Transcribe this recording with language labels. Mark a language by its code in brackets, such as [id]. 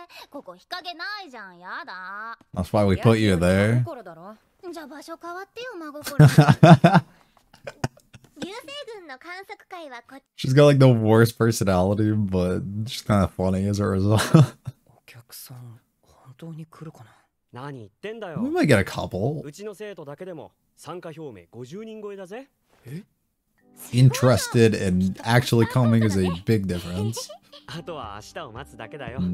[ja] ここ日陰ないじゃん、やだ。 [en] That's why we put you there. [ja] じゃ場所変わってよ、孫心。流星群の観測会はこっち。 [en] She's got like the worst personality, but she's kind of funny as a result. [ja] お客さん、本当に来るかな？何言ってんだよ。 [en] We might get a couple. [ja] うちの生徒だけでも参加表明50人超えだぜ。 [en] え？Interested in actually coming is a big difference. [ja] あとは明日を待つだけだよ。